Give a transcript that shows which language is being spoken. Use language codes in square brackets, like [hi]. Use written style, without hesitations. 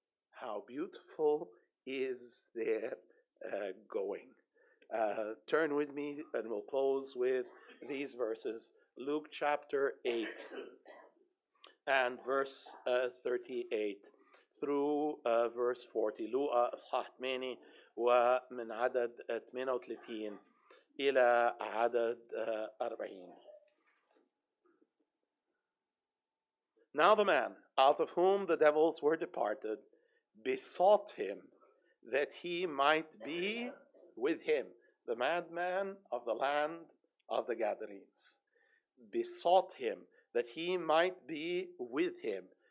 [en] How beautiful is their going. Turn with me and we'll close with these verses. Luke chapter 8. and verse 38 through verse 40. [ar] لوقا اصحاح 8 ومن عدد 38 الى عدد 40. [en] Now the man out of whom the devils were departed besought him that he might be with him. The madman of the land of the Gadarenes besought him that he might be with him.